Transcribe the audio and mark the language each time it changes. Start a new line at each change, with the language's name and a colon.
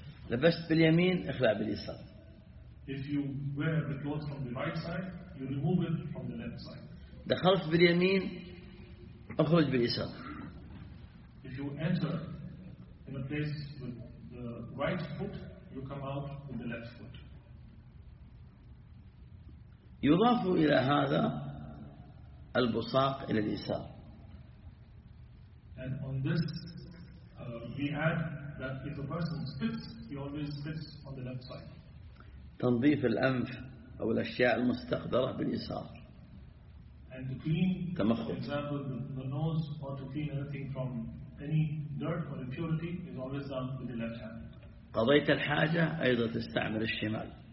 Arabic: لبست باليمين اخلع باليسار.
English: If you wear the clothes from the right side, you remove it from the left side.
Arabic: دخلت باليمين أخرج باليسار.
English: If you enter in a place with the right foot, you come out with the left foot.
Arabic: يضاف إلى هذا البصاق إلى اليسار.
English: And on this, we add that if a person spits, he always spits on the left side.
Arabic: تنظيف الأنف أو الأشياء المستخدرة باليسار.
English: And to clean, تمخل. For example, the nose, or to clean anything from any dirt or impurity, is always done with the left hand.
Arabic: قضيت الحاجة أيضا تستعمل الشمال.